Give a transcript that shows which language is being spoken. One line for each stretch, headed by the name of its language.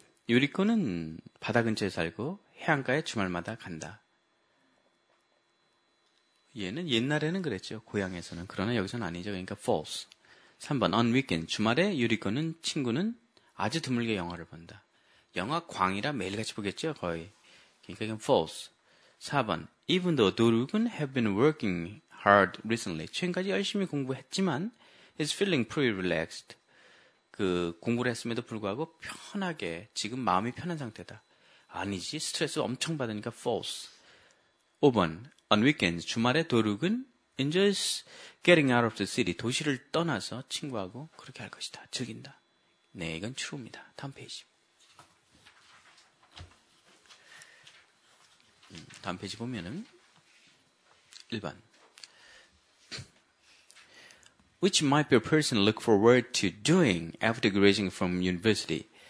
Korean: 유리코는 바다 근처에 살고 해안가에 주말마다 간다. 얘는 옛날에는 그랬죠. 고향에서는. 그러나 여기서는 아니죠. 그러니까 false. 3번.
English: On weekend.
Korean: 주말에 유리코는 친구는 아주 드물게 영화를 본다. 영화 광이라 매일같이 보겠죠, 거의. 그러니까 이건 false. 4번.
English: Even though 도룩은 have been working hard recently.
Korean: 최근까지 열심히 공부했지만
English: is feeling pretty relaxed.
Korean: 그 공부를 했음에도 불구하고 편하게 지금 마음이 편한 상태다. 아니지. 스트레스 엄청 받으니까 false. 5번.
English: On weekends
Korean: 주말에 도룩은
English: enjoys getting out of the city.
Korean: 도시를 떠나서 친구하고 그렇게 할 것이다. 즐긴다. 네, 이건 true입니다. 다음 페이지. 다음 페이지 보면은 1번.
English: Which might be a person look forward to doing after graduating from university?